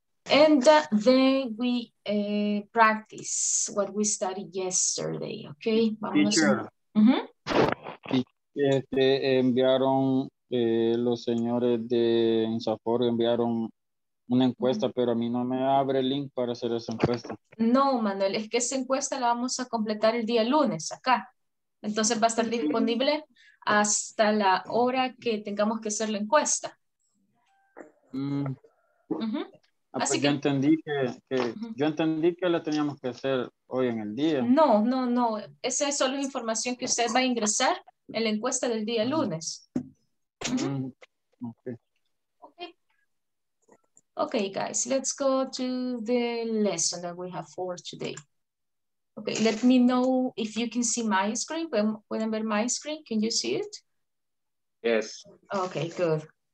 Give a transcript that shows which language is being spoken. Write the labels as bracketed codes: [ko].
[en] And then we practice what we studied yesterday, okay? Teacher. [es] Enviaron los señores de INSAFORP, enviaron una encuesta, pero a mí no me abre el link para hacer esa encuesta. No, Manuel, es que esa encuesta la vamos a completar el día lunes acá. Entonces va a estar disponible hasta la hora que tengamos que hacer la encuesta. Ah, pues así que, yo entendí que yo entendí que la teníamos que hacer hoy en el día. No, no, no. Esa es solo información que usted va a ingresar en la encuesta del día lunes. [en] Okay. Okay, guys, let's go to the lesson that we have for today. Okay, let me know if you can see my screen. [es] Pueden ver [en] my screen? Can you see it? Yes. Okay, good.